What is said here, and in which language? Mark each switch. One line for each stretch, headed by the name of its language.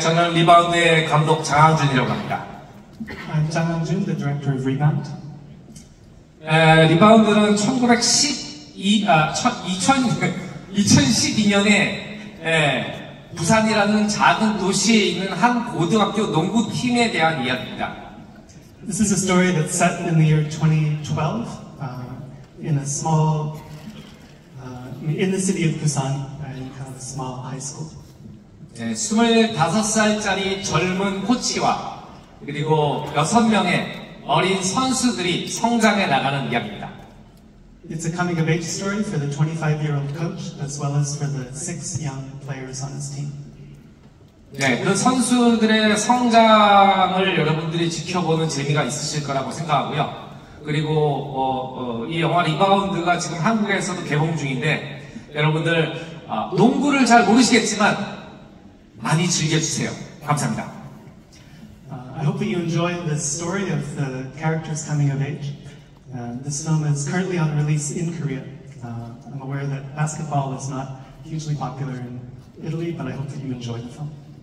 Korean: 저는 리바운드의 감독 장항준이라고 합니다.
English: I'm Jang Hyun-jun, the director of Rebound.
Korean: Rebound는 2012년에 부산이라는 작은 도시에 있는 한 고등학교 농구팀에 대한 이야기입니다.
English: This is a story that's set in the year 2012 in a small in the city of Busan and kind of a small high school.
Korean: 25살짜리 젊은 코치와 그리고 여섯 명의 어린 선수들이 성장해 나가는 이야기입니다.
English: It's a coming of age story for the 25-year-old coach as well as for the six young players on his team.
Korean: 네, 그 선수들의 성장을 여러분들이 지켜보는 재미가 있으실 거라고 생각하고요. 그리고 이 영화 리바운드가 지금 한국에서도 개봉 중인데 여러분들 농구를 잘 모르시겠지만 많이 즐겨주세요. 감사합니다.
English: I hope that you enjoy the story of the characters coming of age. This film is currently on release in Korea. I'm aware that basketball is not hugely popular in Italy, but I hope that you enjoy the film.